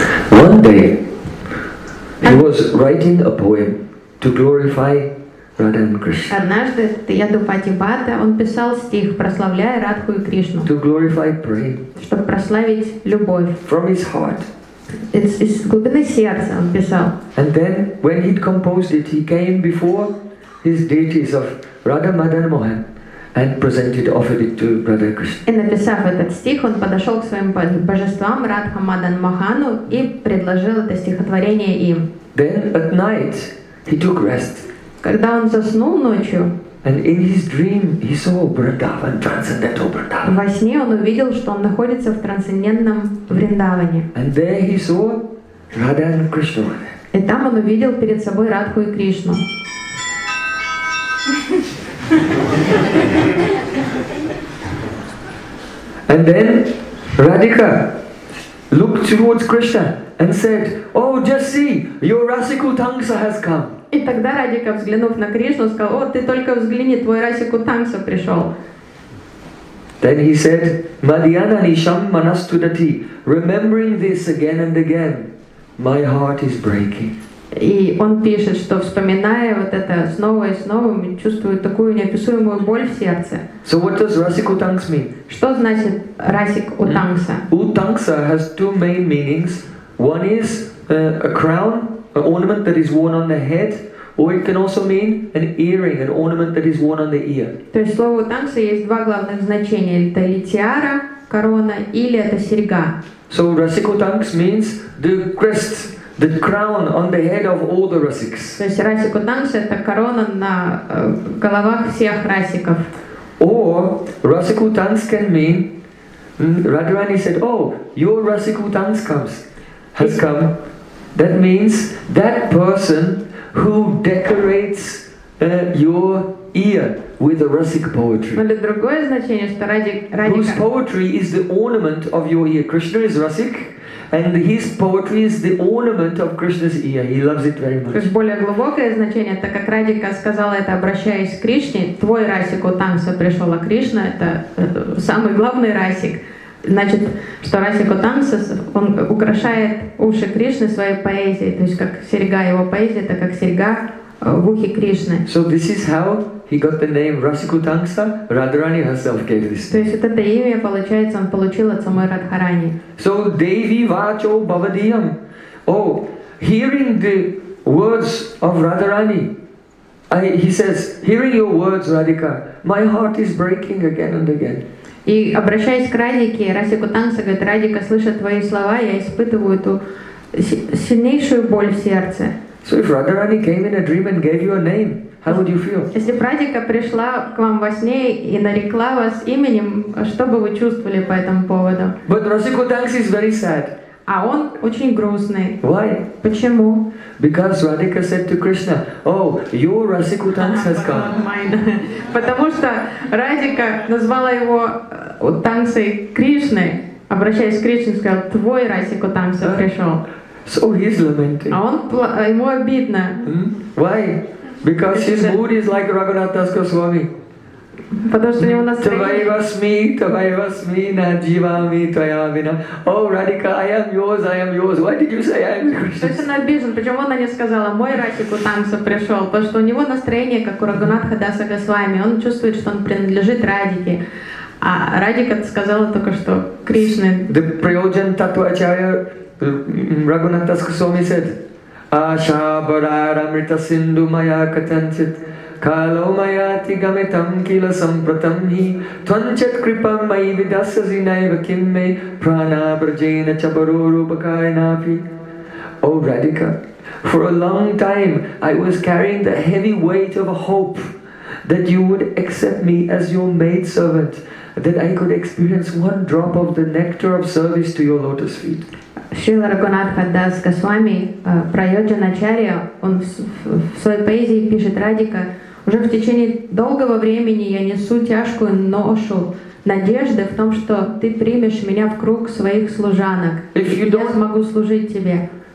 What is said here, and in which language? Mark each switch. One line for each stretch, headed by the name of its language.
English: One day he was writing a poem to glorify Radha and Krishna.
Russian: Однажды Yadupati Bhatta он писал стих, прославляя Радху и Кришну.
English: To glorify prayer.
Russian: Чтобы прославить любовь.
English: From his heart.
Russian: Из глубины сердца он писал.
English: And then when he composed it, he came before his deities of Radha Madan Mohan and presented, offered it to Radha Krishna.
Russian: И написав этот стих, он подошел к своим божествам Радха Мадан Мохану и предложил это стихотворение им.
English: Then at night he took rest.
Russian: Когда он заснул ночью,
English: and in his dream he saw Vrindavan, transcendental Vrindavan.
Russian: Во сне он увидел, что он находится в трансцендентном Вриндаване.
English: And there he saw Radha and Krishna.
Russian: И там он увидел перед собой Радху и Кришну.
English: And then Radhika looked towards Krishna and said, "Oh, just see, your Rasika Utangsa has come."
Russian: И тогда Радика, взглянув на Кришну, сказал: «О, ты только взгляни, твой Rasika Utangsa пришел».
English: Then he said,
Sanskrit: Madhyana Nisham Manastudati,
English: remembering this again and again, my heart is breaking.
Russian: И он пишет, что вспоминая вот это снова и снова, он чувствует такую неописуемую боль в сердце.
English: So what does Rasik Utangs mean?
Russian: Что значит Rasik Utangsa?
English: Utangsa has two main meanings. One is a crown, an ornament that is worn on the head, or it can also mean an earring, an ornament that is worn on the ear.
Russian: То есть слово Utangsa есть два главных значения. Это или тиара, корона, или это серьга.
English: So Rasik Utangs means the crest, the crown on the head of all the rasiks.
Russian: То есть Rasik Utangs это корона на головах всех расиков.
English: Or Rasik Utangs can mean Radharani said, "Oh, your Rasik Utangs has come." That means that person who decorates your ear with the rasik poetry.
Russian: Но другое значение, что Radhika.
English: Whose poetry is the ornament of your ear? Krishna is rasik. And his poetry is the ornament of Krishna's ear. He loves it very much.
Russian: То есть более глубокое значение, так как Радика сказала это, обращаясь к Кришне, твой Rasik Utangs пришел, а Кришна это самый главный Rasik. Значит, что Rasik Utangs он украшает уши Кришны своей поэзией, то есть как серьга его поэзии, это как серьга в ухе Кришны.
English: So this is how he got the name Rasik Utangs. Radharani herself gave this.
Russian: То есть это имя получается, он получил от самой Радхарани.
Sanskrit: So Devi Vacho Bhavadiyam.
English: Oh, hearing the words of Radharani, he says, hearing your words, Radhika, my heart is breaking again and again.
Russian: И обращаясь к Радике, Rasik Utangs говорит, Радика, слыша твои слова, я испытываю эту сильнейшую боль в сердце.
English: So if Radharani came in a dream and gave you a name, how would you feel?
Russian: Если Радика пришла к вам во сне и нарекла вас именем, что бы вы чувствовали по этому поводу?
English: But Rasik Utangs is very sad.
Russian: А он очень грустный.
English: Why?
Russian: Почему?
English: Because Radhika said to Krishna, "Oh, your Rasik Utangs has come."
Russian: Потому что Радика назвала его Утангсой Кришной, обращаясь к Кришне, сказала, "Твой Rasik Utangs пришел."
English: So he's lamenting.
Russian: А он, ему обидно.
English: Hmm? Why? Because his mood is like Raghunath Das Goswami.
Russian: Потому что у него настроение.
Sanskrit: Тавайвасми, на дживами, твоявина.
English: Oh, Radhika, I am yours, I am yours. Why did you say I am Krishna?
Russian: То есть он обижен. Почему она не сказала, мой Rasik Utangs пришел? Потому что у него настроение, как у Рагунатха Даса Госвами. Он чувствует, что он принадлежит Радике. А Радика сказала только что Кришне.
English: The Prayojan Tattvacharya Raghunath Das Goswami said,
Sanskrit: Asha Barara Amrita Sindhu Maya Katanchit Kalo Maya Tigametam Kila Sampratam Hi Tvanchat Kripam Mai Vidasya Zinaiva Kimme Prana Brajena Chabaruru Bakayanapi.
English: Oh Radhika, for a long time I was carrying the heavy weight of a hope that you would accept me as your maid servant, that I could experience one drop of the nectar of service to your lotus feet.
Russian: Шрила Рагунатха Дас Госвами, Прайоджан Ачарья, он в своей поэзии пишет, Радика, уже в течение долгого времени я несу тяжкую ношу надежды в том, что ты примешь меня в круг своих служанок, и я смогу служить тебе.